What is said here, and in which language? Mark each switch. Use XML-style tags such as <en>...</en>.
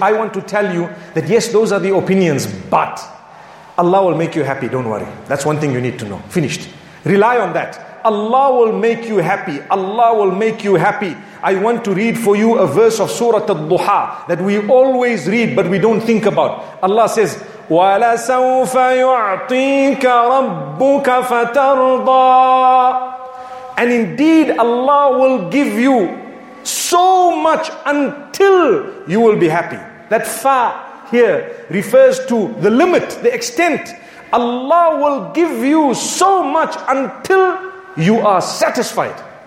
<en>I want to tell you that yes, those are the opinions, but Allah will make you happy, don't worry. That's one thing you need to know. Finished. Rely on that. Allah will make you happy. Allah will make you happy. I want to read for you a verse of Surah Al-Duha that we always read but we don't think about. Allah says,</en> <ar>وَلَسَوْفَ يُعْطِيكَ رَبُّكَ فَتَرْضَىٰ.</ar> <en>And indeed Allah will give you so much until you will be happy. That fa here refers to the limit, the extent. Allah will give you so much until you are satisfied.</en>